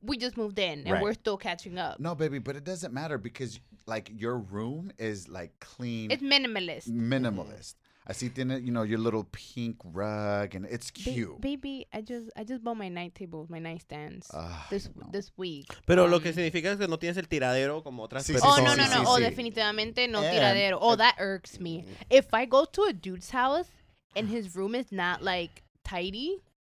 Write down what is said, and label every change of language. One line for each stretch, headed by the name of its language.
English: We just moved in, and we're still catching up. No, baby, but it doesn't matter because... Like, your room is, like, clean. It's minimalist. Minimalist. I see, you know, your little pink rug, and it's cute. Baby, I just bought my night tables, my nightstands this week.
Spanish: Pero lo que significa es que no tienes el tiradero como otras personas. Sí, sí, no. Sí. Oh, definitivamente no tiradero. Oh, that irks me.
English: If I go to a dude's house and his room is not, like, tidy,